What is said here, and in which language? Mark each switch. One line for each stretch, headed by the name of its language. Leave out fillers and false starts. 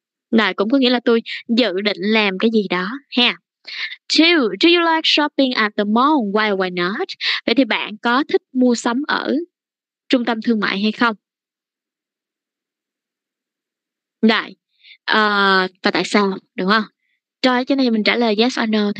Vietnamese: Này cũng có nghĩa là tôi dự định làm cái gì đó. Ha.
English: Two, do you like shopping at the mall? Why not?
Vietnamese: Vậy thì bạn có thích mua sắm ở trung tâm thương mại hay không? Này. Và tại sao? Đúng không? Rồi, cho nên mình trả lời
English: yes or no.